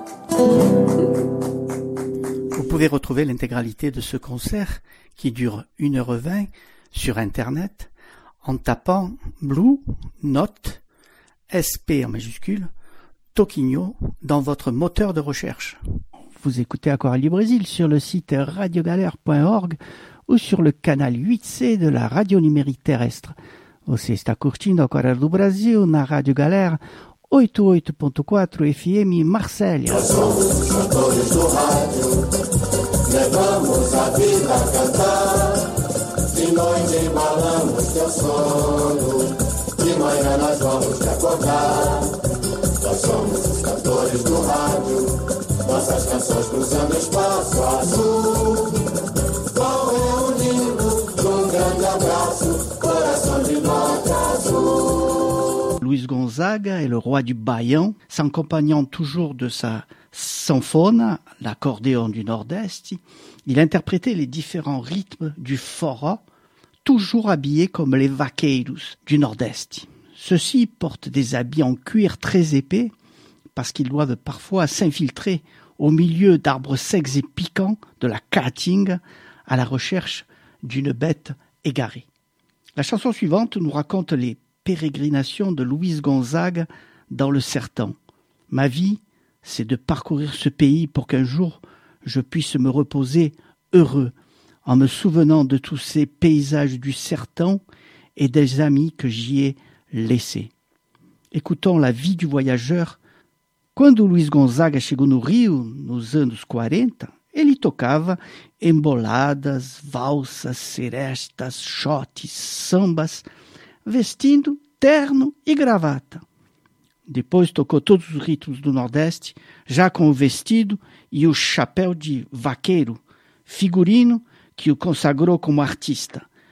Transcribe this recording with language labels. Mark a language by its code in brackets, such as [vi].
[fr] Vous pouvez retrouver l'intégralité de ce concert qui dure 1h20 sur internet en tapant Blue Note SP en majuscule Toquinho dans votre moteur de recherche. Vous écoutez Aquarelli Brésil sur le site radiogalère.org ou sur le canal 8C de la radio numérique terrestre. [pt] Você está curtindo Aquarelli do Brasil na Radio Galère 88.4 FM Marseille. Nós somos levamos a vida a cantar, de noite embalamos teu sono, de manhã nós vamos te acordar. Nós somos os cantores do rádio, nossas canções cruzando espaço azul, vão reunindo um grande abraço, coração de nota azul. [fr] Luiz Gonzaga est le roi du Baião, s'accompagnant toujours de sa sanfona, l'accordéon du Nord-Est, il interprétait les différents rythmes du fora, toujours habillé comme les vaqueiros du Nord-Est. Ceux-ci portent des habits en cuir très épais, parce qu'ils doivent parfois s'infiltrer au milieu d'arbres secs et piquants de la Caatinga à la recherche d'une bête égarée. La chanson suivante nous raconte les pérégrinations de Luis Gonzaga dans le Sertão. « Ma vie, c'est de parcourir ce pays pour qu'un jour je puisse me reposer heureux en me souvenant de tous ces paysages du Sertão et des amis que j'y ai laissés. » Écoutons la vie du voyageur. [pt] Quando Luiz Gonzaga chegou no Rio, nos anos 40, ele tocava emboladas, valsas, serestas, xotes, sambas, vestindo terno e gravata. Depois tocou todos os ritmos do Nordeste, já com o vestido e o chapéu de vaqueiro, figurino que o consagrou como artista.